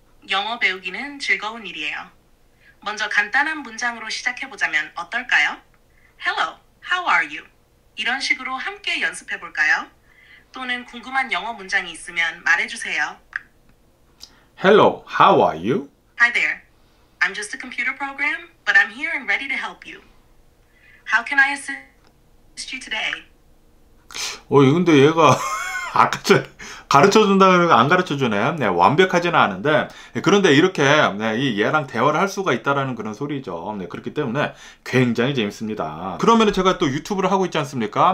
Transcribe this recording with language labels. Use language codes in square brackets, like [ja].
[ko] 영어 배우기는 즐거운 일이에요. 먼저 간단한 문장으로 시작해보자면 어떨까요? [en] Hello, how are you? [ko] 이런 식으로 함께 연습해볼까요? 또는 궁금한 영어 문장이 있으면 말해주세요. [en] Hello, how are you? Hi there. I'm just a computer program, but I'm here and ready to help you. How can I assist you today? [ko] 근데 얘가 아까 전에 가르쳐 준다고 그러고 안 가르쳐 주네. 네, 완벽하지는 않은데. 그런데 이렇게 네, 이 얘랑 대화를 할 수가 있다라는 그런 소리죠. 네, 그렇기 때문에 굉장히 재밌습니다. 그러면 제가 또 유튜브를 하고 있지 않습니까?